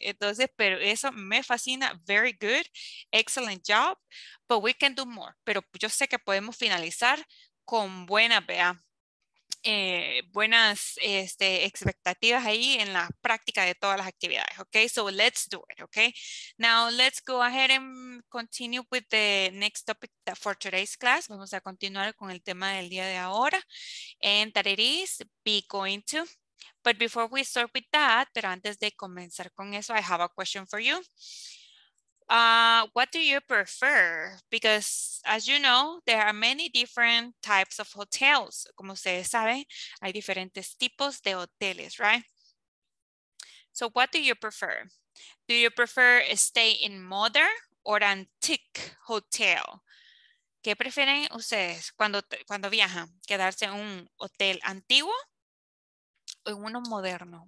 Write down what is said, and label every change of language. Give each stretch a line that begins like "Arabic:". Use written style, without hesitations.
Spanish: Entonces, pero eso me fascina,
English: very good, excellent job, but we can do more.
Spanish: Pero yo sé que podemos finalizar con buenas, ¿verdad? Buenas expectativas ahí en la práctica de todas las actividades, okay?
English: So let's do it, okay? Now let's go ahead and continue with the next topic for today's class.
Spanish: Vamos a continuar con el tema del día de ahora.
English: And that it is be going to. But before we start with that,
Spanish: pero antes de comenzar con eso,
English: I have a question for you. What do you prefer? Because as you know, there are many different types of hotels.
Spanish: Como ustedes saben, hay diferentes tipos de hoteles, right?
English: So what do you prefer? Do you prefer a stay in modern or antique hotel?
Spanish: ¿Qué prefieren ustedes cuando viajan? ¿Quedarse en un hotel antiguo o en uno moderno?